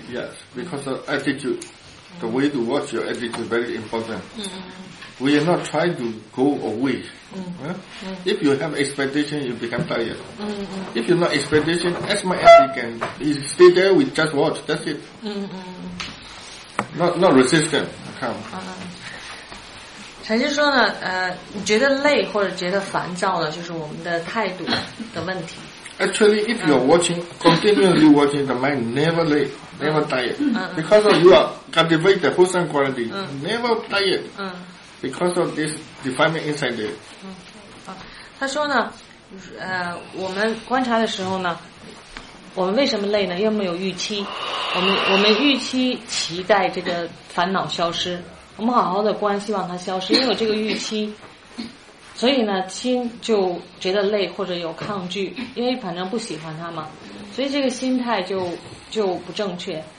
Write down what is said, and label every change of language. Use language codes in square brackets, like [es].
[en] Yes, because the attitude, the way to watch your attitude is very important. Mm-hmm. We are not trying to go away. Mm-hmm. Huh? Mm-hmm. If you have expectation, you become tired. Mm-hmm. If you're not expectation, as much as you can, you stay there, we just watch, that's it. Mm-hmm. Not resistant, come. [zh] 陈师说呢，你觉得累或者觉得烦躁了，就是我们的态度的问题。 [en] Actually, if you're watching, continuously watching, the mind never late, never tired. Because of you are cultivate the wholesome quality, never tired. Because of this defilement inside there. [zh] 他说呢，我们观察的时候呢，我们为什么累呢？因为有预期，我们预期期待这个烦恼消失。我们好好的观，希望它消失，因为有这个预期，所以呢，心就觉得累或者有抗拒，因为反正不喜欢它嘛，所以这个心态就不正确。